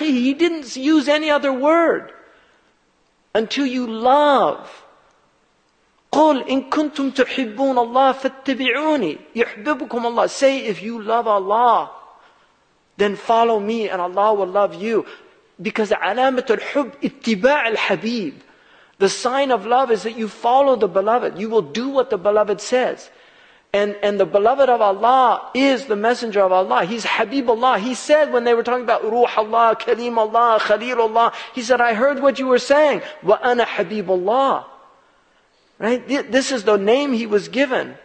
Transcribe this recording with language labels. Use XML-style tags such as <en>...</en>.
<en>He didn't use any other word. Until you love.</en> <ar>قُلْ إِن كُنْتُمْ تُحِبُّونَ اللَّهَ فَاتَّبِعُونِي يُحْبِبُكُمْ اللَّهِ.</ar> <en>Say, if you love Allah, then follow me and Allah will love you. Because</en> <ar>عَلَامَةُ الْحُبِّ اتِّبَاعِ الْحَبِيبِ.</ar> <en>The sign of love is that you follow the beloved. You will do what the beloved says. And the beloved of Allah is the messenger of Allah. He's Habibullah. He said when they were talking about Ruh Allah, Kaleem Allah, Khaleel Allah, he said, I heard what you were saying.</en> <ar>Wa ana Habibullah.</ar> <en>Right? This is the name he was given.</en>